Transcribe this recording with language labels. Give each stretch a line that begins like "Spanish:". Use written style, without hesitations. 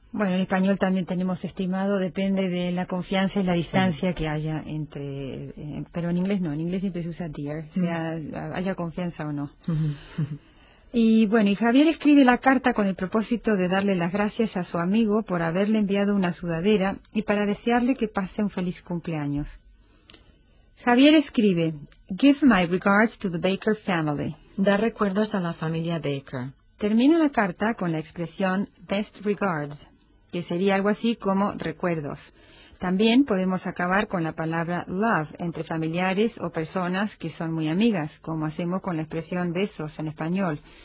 Spanish: Bueno, en español también tenemos estimado, depende de la confianza y la distancia que haya entre... pero en inglés no, en inglés siempre se usa dear, sea haya confianza o no. Y bueno, y Javier escribe la carta con el propósito de darle las gracias a su amigo por haberle enviado una sudadera y para desearle que pase un feliz cumpleaños. Javier escribe,
English: give my regards to the Baker family.
Spanish: Da recuerdos a la familia Baker. Termina la carta con la expresión best regards, que sería algo así como recuerdos. También podemos acabar con la palabra love entre familiares o personas que son muy amigas, como hacemos con la expresión besos en español.